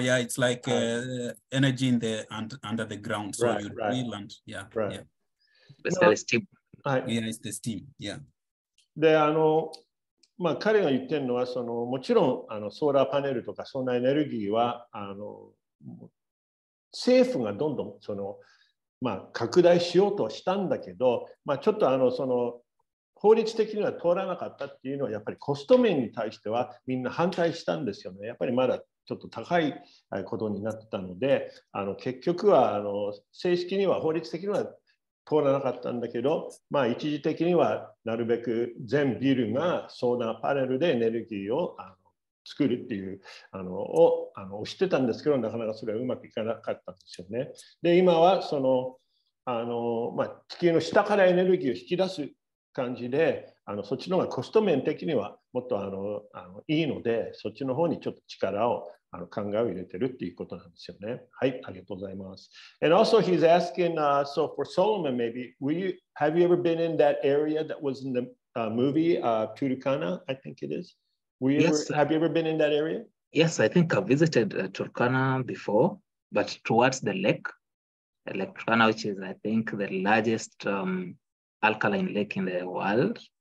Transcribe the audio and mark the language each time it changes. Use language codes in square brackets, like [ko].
[en] yeah, it's like energy in the under the ground, so right, you drill right. And yeah, right. Yeah. It's the steam, yeah. [ja] で、彼が言ってるのは、もちろんソーラーパネルとか、そんなエネルギーは、政府がどんどん拡大しようとしたんだけど、ちょっと法律的には通らなかったっていうのはやっぱりコスト面に対してはみんな反対したんですよね。やっぱりまだちょっと高いことになったので結局は正式には法律的には通らなかったんだけど、一時的にはなるべく全ビルがソーラーパネルでエネルギーを作るっていうを推してたんですけど、なかなかそれはうまくいかなかったんですよね。で、今は地球の下からエネルギーを引き出す感じで、そっちの方がコスト面的にはもっといいので、そっちの方にちょっと力を考えを入れてるっていうことなんですよね。はい、ありがとうございます。 [en] And also he's asking, so for Solomon, maybe, have you ever been in that area that was in the movie, とるかな, I think it is? Have you ever been in that area? Yes, I think I visited とるかな before, but towards the lake, Electrana, which is, I think, the largest alkaline lake in the world.